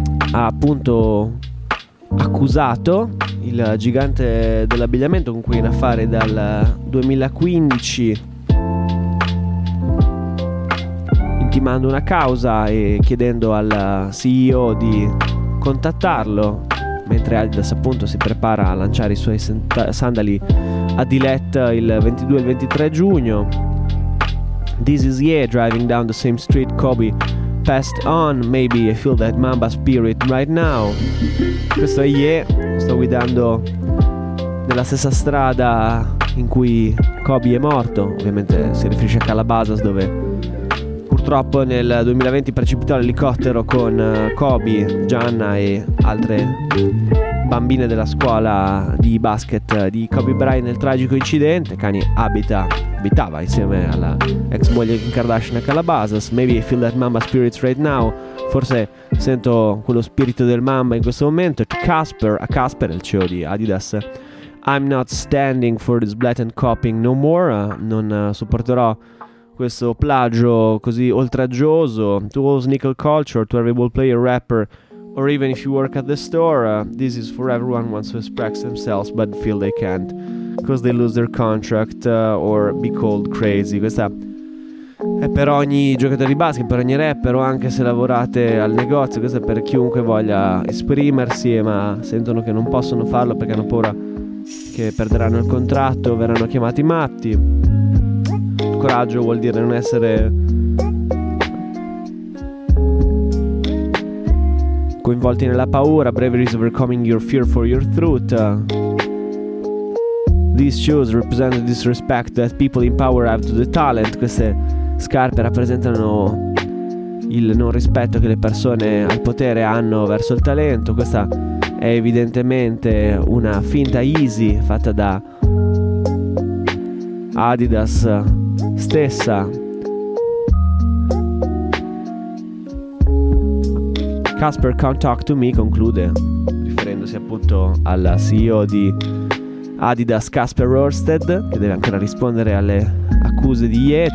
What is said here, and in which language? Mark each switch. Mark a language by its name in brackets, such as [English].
[Italian] Ha appunto accusato il gigante dell'abbigliamento con cui è in affare dal 2015, intimando una causa e chiedendo al CEO di contattarlo, mentre Adidas appunto si prepara a lanciare i suoi sandali Adilette il 22 e il 23 giugno. [English] This is Ye driving down the same street Kobe passed on, maybe I feel that Mamba spirit right now. [Italian] Questo è Ye, sto guidando nella stessa strada in cui Kobe è morto. Ovviamente si riferisce a Calabasas, dove purtroppo nel 2020 precipitò l'elicottero con Kobe, Gianna e altre bambine della scuola di basket di Kobe Bryant nel tragico incidente. Kanye abitava insieme alla ex moglie Kim Kardashian a Calabasas. [English] Maybe I feel that Mamba spirit right now. [Italian] Forse sento quello spirito del Mamba in questo momento. Casper, il CEO di Adidas. [English] I'm not standing for this blatant copying no more. [Italian] Non sopporterò questo plagio così oltraggioso. [English] To all sneaker culture, to every ball player, rapper, or even if you work at the store, this is for everyone who wants to express themselves but feel they can't because they lose their contract or be called crazy. [Italian] Questa è per ogni giocatore di basket, per ogni rapper, o anche se lavorate al negozio. Questa è per chiunque voglia esprimersi ma sentono che non possono farlo perché hanno paura che perderanno il contratto, verranno chiamati matti. Coraggio vuol dire non essere coinvolti nella paura. [English] Bravery is overcoming your fear for your truth. These shoes represent the disrespect that people in power have to the talent. [Italian] Queste scarpe rappresentano il non rispetto che le persone al potere hanno verso il talento. Questa è evidentemente una finta easy fatta da Adidas stessa, [English] Casper can't talk to me, [Italian] conclude riferendosi appunto al CEO di Adidas, Casper Rorsted, che deve ancora rispondere alle accuse di IE.